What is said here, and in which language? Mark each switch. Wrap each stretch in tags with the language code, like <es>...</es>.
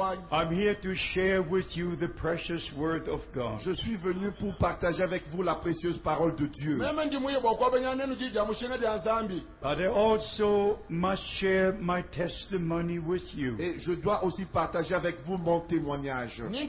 <en>I'm here to share with you the precious word of God.</en> <fr>Je suis venu pour partager avec vous la précieuse parole de Dieu.</fr> <en>But I also must share my testimony with you.</en> <fr>Et je dois aussi partager avec vous mon témoignage.</fr>